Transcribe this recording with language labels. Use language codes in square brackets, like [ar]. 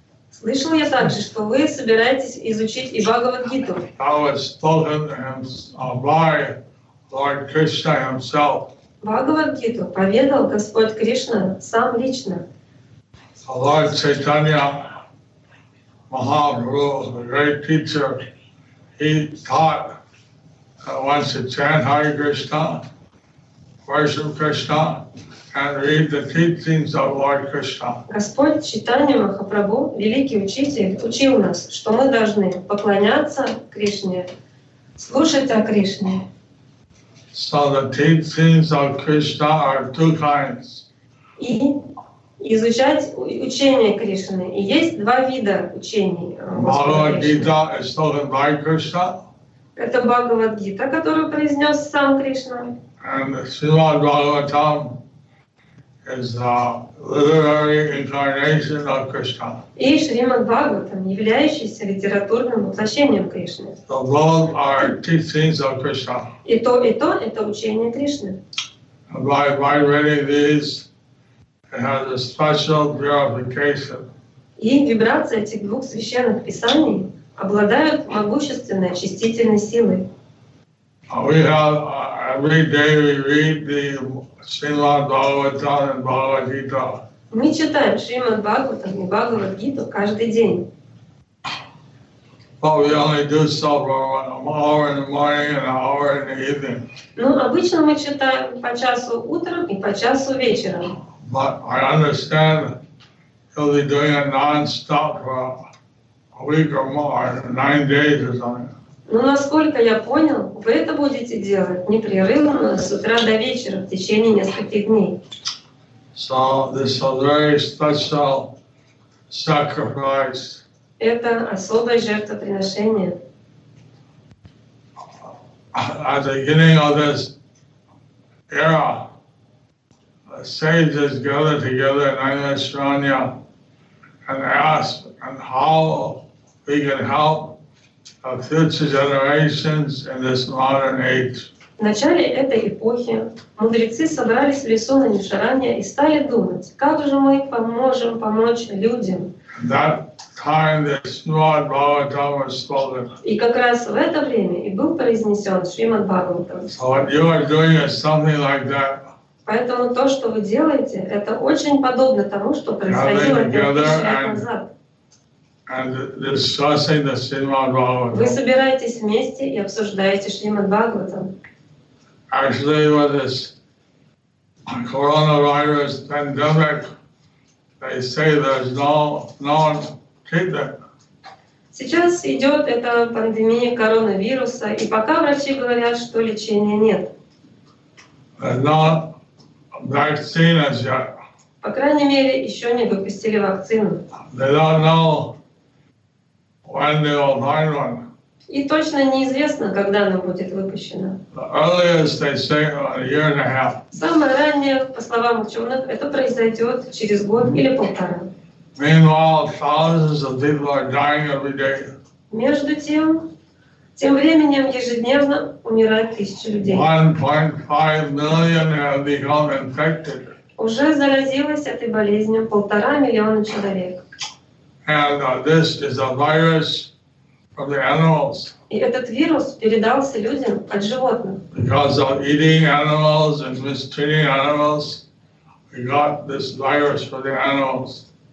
[ru] Слышал я также, что вы собираетесь изучить и Бхагавад-гиту. Бхагавад-гиту поведал Господь Кришна сам лично. [en] Lord Chaitanya Mahaprabhu, the great teacher, he taught that one should chant Hare Krishna, worship Krishna, and read the teachings of Lord Krishna. [ru] Господь Чайтанья Махапрабху, великий учитель, учил нас, что мы должны поклоняться Кришне, слушать о Кришне. [en] So the teachings of Krishna are two kinds. [ru] И изучать учение Кришны. И есть два вида учений. [en] Бхагавад-гита is spoken by Krishna. [ru] Это Бхагавад-гита, которую произнес сам Кришна. [en] And Srimad Bhagavatam is the literary incarnation of Krishna. [ru] И Шримад Бхагаватам, являющийся литературным воплощением Кришны. [en] So both are teachings of Krishna. [ru] И то — это учение Кришны. [en] By reading these, it has a special verification. [ru] И вибрации этих двух священных писаний обладают могущественной очистительной силой. [en] We have every day we read the Srimad Bhagavatam and Bhagavad Gita. [ru] Мы читаем Шримад Бхагаватам и Бхагавад Гиту каждый день. [en] But we only do so for an hour in the morning and an hour in the evening. [ru] Ну, обычно мы читаем по часу утром и по часу вечером. [en] But I understand he'll be doing it non-stop for a week or more, 9 days or something. [ru] Ну, насколько я понял, вы это будете делать непрерывно с утра до вечера в течение нескольких дней. [en] So this is a very special sacrifice. [ru] Это особое жертвоприношение. [en] At the beginning of this era, the sages gathered together in Ayanashranya and asked, and how we can help of future generations in this modern age. [ru] В начале этой эпохи мудрецы собрались в лесу на Нишаране и стали думать, как же мы поможем помочь людям. [en] That time the Srimad Bhagavatam was spoken. [ru] И как раз в это время и был произнесен Шримад Бхагаватам. [en] So what you are doing is something like that. [ru] Поэтому то, что вы делаете, это очень подобно тому, что происходило 5000 лет назад. [en] And discussing the Srimad Bhagavatam. [ru] Вы собираетесь вместе и обсуждаете Шримад Бхагаватам. [en] actually with this coronavirus pandemic, they say there's no treatment. [ru] Сейчас идет эта пандемия коронавируса, и пока врачи говорят, что лечения нет. [en] No vaccines yet. [ru] По крайней мере, еще не выпустили вакцину. [en] They don't know when they will find one. [ru] И точно неизвестно, когда она будет выпущена. [en] The earliest they say a year and a half. [ru] Самое раннее, по словам ученых, это произойдет через год или полтора. [en] Meanwhile, thousands of people are dying every day. [ru] Между тем, тем временем ежедневно умирают тысячи людей. [en] 1.5 million have become infected. [ru] Уже заразилось этой болезнью 1.5 миллиона человек. [en] And this is a virus from the animals. [ru] И этот вирус передался людям от животных. [en] Because of eating animals and mistreating animals, we got this virus for the animals.